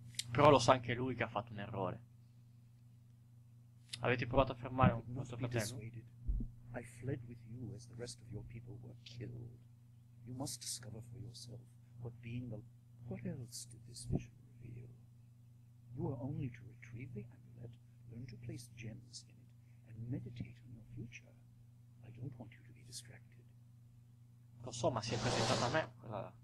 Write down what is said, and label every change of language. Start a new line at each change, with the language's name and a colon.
Italian: Però lo sa anche lui che ha fatto un errore. Avete provato a fermare un vostro fratello?
English: I fled with you as the rest of your people were killed. You must discover for yourself what being the... What else did this vision reveal? You are only to retrieve the amulet, learn to place gems in it, and meditate on your future. I don't want you to be distracted.
Italian: Lo so, ma si è presentata a me quella...